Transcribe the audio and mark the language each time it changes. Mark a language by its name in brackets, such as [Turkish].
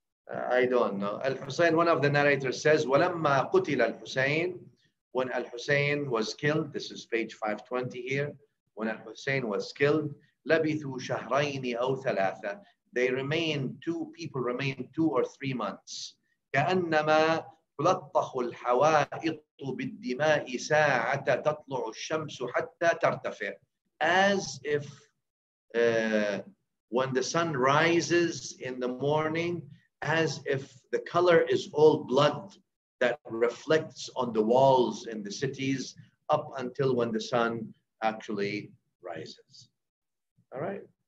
[English] I don't know. Al-Hussein, one of the narrators says, [Arabic] وَلَمَّا قُتِلَ الْحُسَيْنِ, [English] when Al-Hussein was killed, this is page 520 here, when Al-Hussein was killed, [Arabic] لَبِثُوا شَهْرَيْنِ أَوْ ثَلَاثَ, [English] they remained, two people remained 2 or 3 months. [Arabic] كَأَنَّمَا تلطخ الحوائط بالدماء ساعة تطلع الشمس حتى ترتفع. [English] As if when the sun rises in the morning, as if the color is all blood that reflects on the walls in the cities up until when the sun actually rises. All right.